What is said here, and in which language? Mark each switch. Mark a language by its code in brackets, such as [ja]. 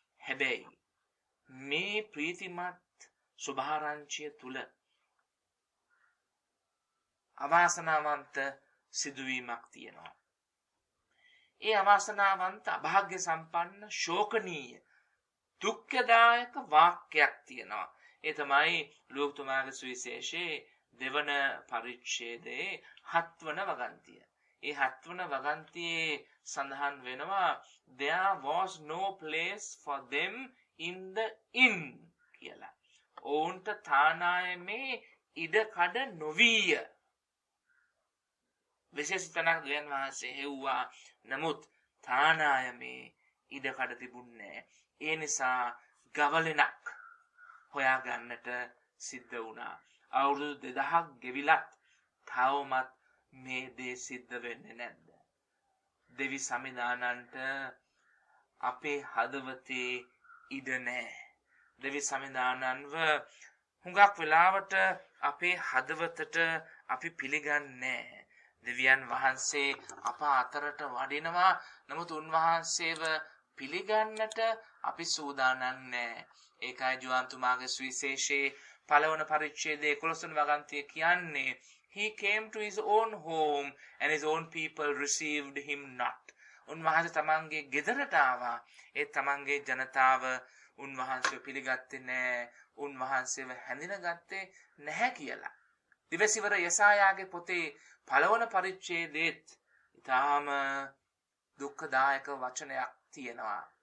[si] හැබැයි මේ ප්‍රීතිමත් සුභාරංචිය තුල අවාසනාවන්ත සිදුවීමක් තියෙනවා. ඒ අවාසනාවන්ත අභාග්‍ය සම්පන්න ශෝකනීය දුක්ඛදායක වාක්‍යයක් තියෙනවා. ඒ තමයි ලූක්තුමාගේ සුවිශේෂයේ 2 පරිච්ඡේදයේ 7 වගන්තිය. ඒ 7 වගන්තියේ සඳහන් වෙනවා [en] There was no place for them in the inn [si] කියලා. ඔවුන්ට තානායමේ ඉඩකඩ නොවීය. විශේෂ තැනක් දෙවියන් වහන්සේ හෙව්වා. නමුත් තානායමේ ඉඩකඩ තිබුණේ නැහැ. ඒ නිසා ගවලෙනක් හොයාගන්නට සිද්ධ වුණා. අවුරුදු 2000ක් ගෙවිලත් තවමත් මේ දේ සිද්ධ වෙන්නේ නැද්ද? දෙවි සමිඳානන්ට අපේ හදවතේ ඉඩ නැහැ. දෙවි සමිඳානන්ව හුඟක් වෙලාවට අපේ හදවතට අපි පිළිගන්නේ නැහැ. දෙවියන් වහන්සේ අප අතරට වඩිනවා. නමුත් උන්වහන්සේව පිළිගන්නට අපි සූදානම් නැහැ. ඒකයි ජුවන්තුමාගේ සුවිශේෂයේ පළවන පරිච්ඡේදයේ 11 වගන්තිය කියන්නේ [en] He came to his own home and his own people received him not. [si] උන්වහන්සේ තමන්ගේ ගෙදරට ආවා. ඒ තමන්ගේ ජනතාව උන්වහන්සේව පිළිගත්තේ නැහැ. උන්වහන්සේව හැඳිනගත්තේ නැහැ කියලා. දිවසිවර යසායාගේ පොතේ පළවන පරිච්ඡේදෙත් ඉතාම දුක්ඛදායක වචනයක් තියෙනවා.